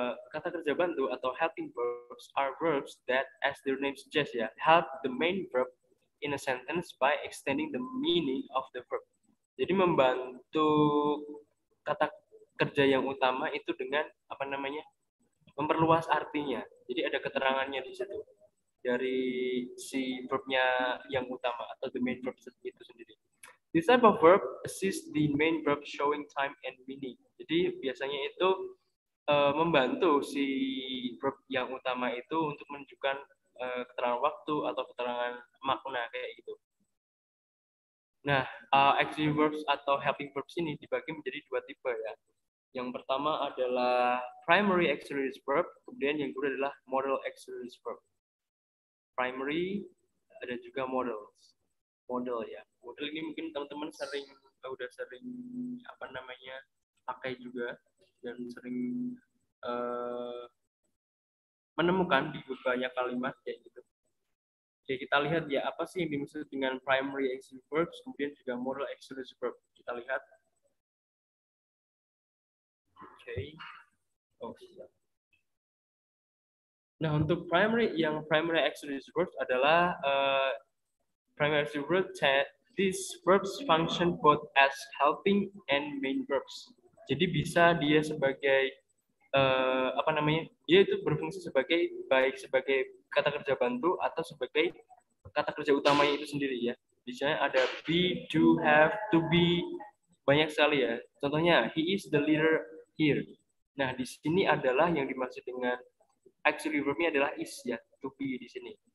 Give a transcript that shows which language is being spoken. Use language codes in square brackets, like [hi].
[id] Kata kerja bantu atau [en] helping verbs are verbs that, as their name suggests ya, help the main verb in a sentence by extending the meaning of the verb. [id] Jadi membantu kata kerja yang utama itu dengan apa namanya, memperluas artinya. Jadi ada keterangannya di situ dari si verbnya yang utama atau the main verb itu sendiri. [en] This type of verb assists the main verb showing time and meaning. [id] Jadi biasanya itu membantu si verb yang utama itu untuk menunjukkan keterangan waktu atau keterangan makna kayak gitu. Nah, auxiliary verbs atau helping verbs ini dibagi menjadi dua tipe ya. Yang pertama adalah primary auxiliary verb, kemudian yang kedua adalah modal auxiliary verb. Primary ada juga models. Model ya. Model ini mungkin teman-teman sering udah sering apa namanya pakai juga. dan sering menemukan di banyak kalimat kayak gitu. Oke, kita lihat ya apa sih yang dimaksud dengan primary action verbs, kemudian juga modal action verb. Kita lihat. Nah, untuk primary yang primary action verb adalah primary action verb. [en] These verbs function both as helping and main verbs. [id] Jadi bisa dia sebagai apa namanya? Dia itu berfungsi sebagai baik sebagai kata kerja bantu atau sebagai kata kerja utamanya itu sendiri ya. Misalnya ada be, do, have, to be, banyak sekali ya. Contohnya [en] he is the leader here. [id] Nah, di sini adalah yang dimaksud dengan actually verb-nya adalah is ya, to be di sini.